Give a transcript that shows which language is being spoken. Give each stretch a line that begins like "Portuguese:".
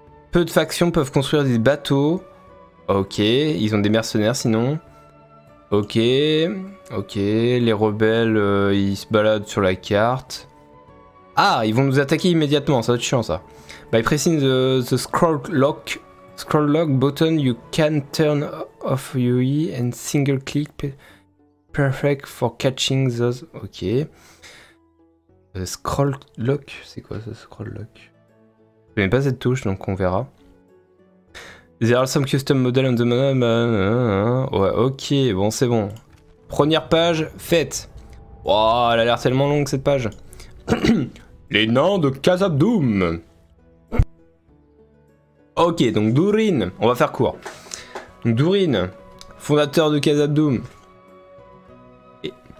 French: Peu de factions peuvent construire des bateaux. Ok, ils ont des mercenaires sinon. Ok, ok, les rebelles, ils se baladent sur la carte. Ah, ils vont nous attaquer immédiatement, ça va être chiant ça.
English: By pressing the scroll lock button, you can turn off UE and single click perfect for catching those.
French: Ok. Scroll lock, c'est quoi ce scroll lock? Je connais pas cette touche, donc on verra.
English: There are some custom models on the map.
French: Ouais, ok, bon, c'est bon. Première page, faite. Wow, elle a l'air tellement longue cette page. Les nains de Khazad-dûm. Ok, donc Durin, on va faire court. Donc Durin, fondateur de Khazad-dûm. Et...